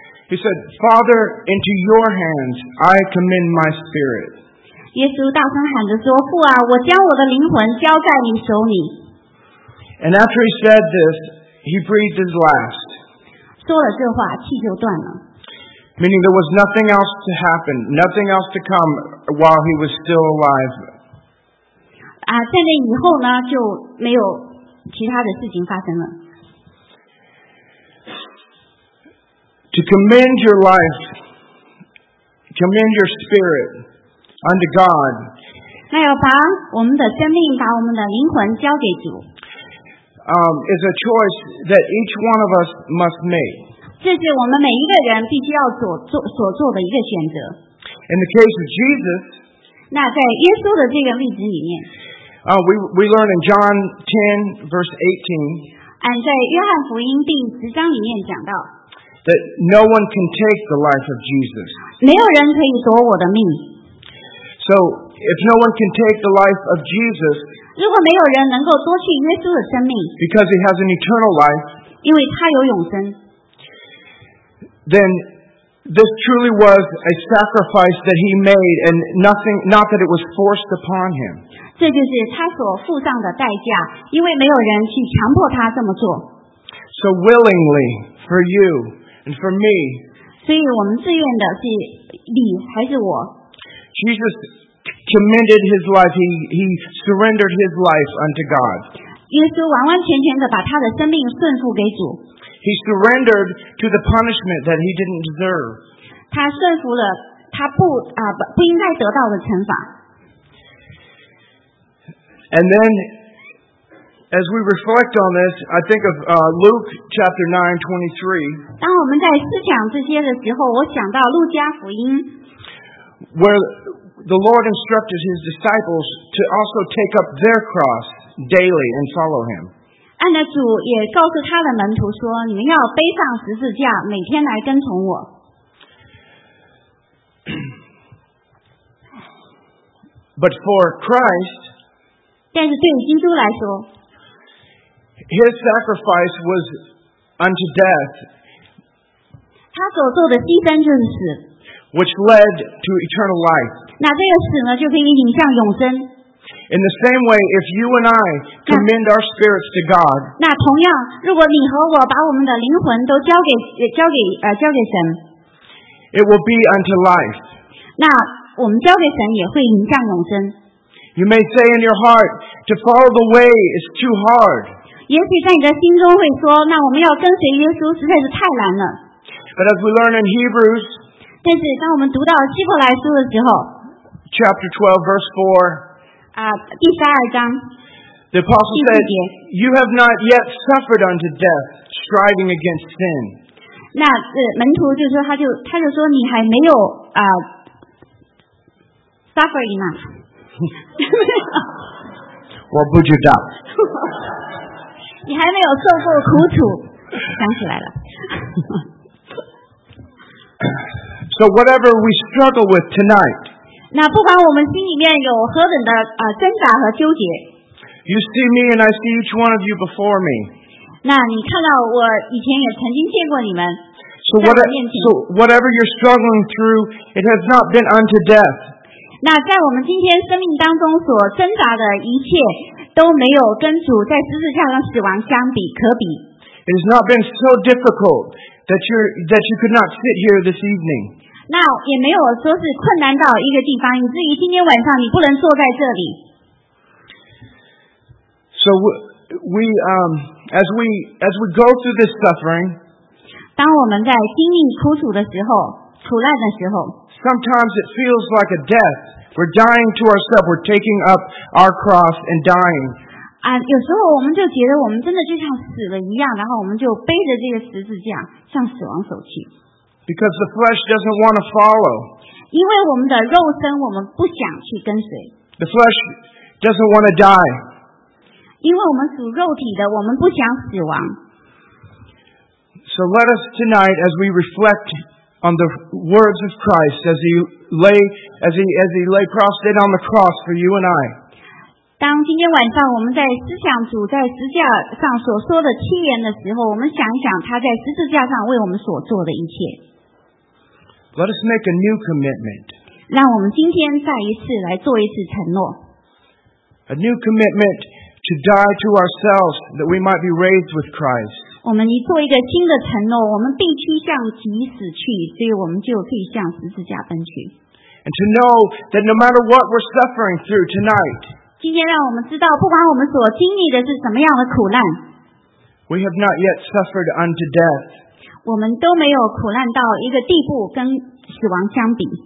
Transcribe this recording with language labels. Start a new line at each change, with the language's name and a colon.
English: He said, Father, into your hands I commend my spirit.
Chinese: 耶稣大声喊着说，父啊，我将我的灵魂交在你手里。
English: And after he said this, he breathed his last.
Chinese: 说了这话，气就断了。
English: Meaning there was nothing else to happen, nothing else to come while he was still alive.
Chinese: 在那以后呢，就没有其他的事情发生了。
English: To commend your life, commend your spirit unto God.
Chinese: 那要把我们的生命，把我们的灵魂交给主。
English: Is a choice that each one of us must make.
Chinese: 这是我们每一个人必须要所做的一个选择。
English: In the case of Jesus,
Chinese: 那在耶稣的这个例子里面，
English: we learn in John 10 verse 18,
Chinese: 在约翰福音第十章里面讲到，
English: that no one can take the life of Jesus.
Chinese: 没有人可以夺我的命。
English: So if no one can take the life of Jesus,
Chinese: 如果没有人能够夺去耶稣的生命，
English: because he has an eternal life,
Chinese: 因为他有永生。
English: Then This truly was a sacrifice that he made, and nothing, not that it was forced upon him.
Chinese: 这就是他所付上的代价，因为没有人去强迫他这么做。
English: So willingly for you and for me.
Chinese: 所以我们自愿的是你还是我？
English: Jesus committed his life. He surrendered his life unto God.
Chinese: 耶稣完完全全的把他的生命顺服给主。
English: He surrendered to the punishment that he didn't deserve.
Chinese: 他顺服了他不啊不应该得到的惩罚。
English: And then, as we reflect on this, I think of Luke chapter 9:23.
Chinese: 当我们在思想这些的时候，我想到路加福音。
English: Where the Lord instructed his disciples to also take up their cross daily and follow him.
Chinese: 按着主也告诉他的门徒说，你们要背上十字架，每天来跟从我。
English: But for Christ.
Chinese: 但是对于基督来说
English: ，His sacrifice was unto death.
Chinese: 他所做的牺牲就是死
English: ，which led to eternal life.
Chinese: 那这个死呢，就可以引向永生。
English: In the same way, if you and I commend our spirits to God,
Chinese: 那同样，如果你和我把我们的灵魂都交给神
English: ，it will be unto life.
Chinese: 那我们交给神也会引向永生。
English: You may say in your heart, to follow the way is too hard.
Chinese: 也许在你的心中会说，那我们要跟随耶稣实在是太难了。
English: But as we learn in Hebrews,
Chinese: 但是当我们读到希伯来书的时候
English: ，Chapter 12, verse 4,
Chinese: 啊，第十二章
English: ，The apostle said, "You have not yet suffered unto death, striving against sin."
Chinese: 那门徒就说，他就说你还没有啊
English: suffer enough.
Chinese: 我不知道你还没有受过苦楚想起来了
English: So whatever we struggle with tonight
Chinese: 那不管我们心里面有何等的挣扎和纠结
English: You see me and I see each one of you before me
Chinese: 那你看到我以前也曾经见过你们
English: So whatever you're struggling through it has not been unto death
Chinese: 那在我们今天生命当中所挣扎的一切都没有跟主在十字架上死亡相比可比
English: It has not been so difficult that you could not sit here this evening
Chinese: 那也没有说是困难到一个地方以至于今天晚上你不能坐在这里
English: So as we go through this suffering
Chinese: 当我们在经历苦楚的时候苦难的时候
English: Sometimes it feels like a death. We're dying to ourselves. We're taking up our cross and dying.
Chinese: 啊，有时候我们就觉得我们真的就像死了一样，然后我们就背着这个十字架向死亡走去。
English: Because the flesh doesn't want to follow.
Chinese: 因为我们的肉身，我们不想去跟随。
English: The flesh doesn't want to die.
Chinese: 因为我们属肉体的，我们不想死亡。
English: So let us tonight, as we reflect. On the words of Christ as he lay prostrate on the cross for you and I.
Chinese: 当今天晚上我们在思想主在十字架上所说的七言的时候，我们想一想他在十字架上为我们所做的一切。
English: Let us make a new commitment.
Chinese: 让我们今天再一次来做一次承诺。
English: A new commitment to die to ourselves that we might be raised with Christ.
Chinese: 我们一做一个新的承诺，我们必须向主死去，所以我们就可以向十字架奔去。
English: And to know that no matter what we're suffering through tonight，
Chinese: 今天让我们知道，不管我们所经历的是什么样的苦难
English: ，We have not yet suffered unto death。
Chinese: 我们都没有苦难到一个地步跟死亡相比。